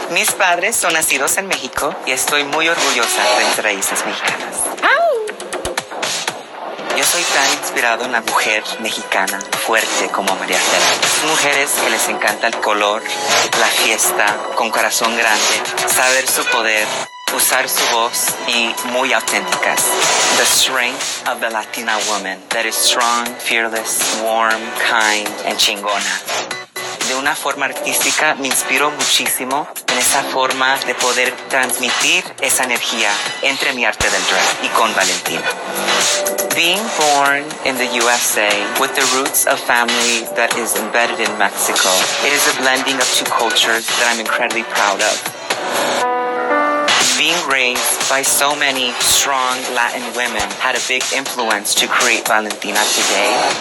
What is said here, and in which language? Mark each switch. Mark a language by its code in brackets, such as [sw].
[es] Mis padres son nacidos en México y estoy muy orgullosa de mis raíces mexicanas. Yo soy tan inspirado en la mujer mexicana, fuerte como María Stella. Mujeres que les encanta el color, la fiesta, con corazón grande, saber su poder, usar su voz y muy auténticas. [en] The strength of the Latina woman that is strong, fearless, warm, kind, and chingona. [es] De una forma artística me inspiro muchísimo en esa forma de poder transmitir esa energía entre mi arte del drag y con Valentina. [en] Being born in the USA with the roots of family that is embedded in Mexico, it is a blending of two cultures that I'm incredibly proud of. Being raised by so many strong Latin women had a big influence to create Valentina today.